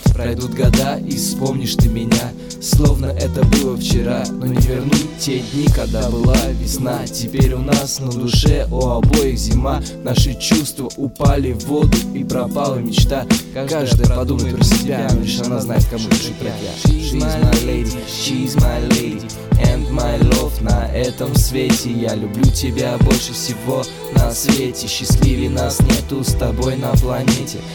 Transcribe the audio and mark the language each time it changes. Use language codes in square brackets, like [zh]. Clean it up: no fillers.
[ru] Пройдут года, и вспомнишь ты меня, словно это было вчера. Но не вернуть те дни, когда была весна. Теперь у нас на душе, у обоих зима. Наши чувства упали в воду, и пропала мечта. Каждая подумает про себя, лишь она знает, кому лучше пройдя. [en] She's my lady, she's my lady, and my love. [ru] На этом свете я люблю тебя больше всего на свете. Счастливей нас нету с тобой на планете.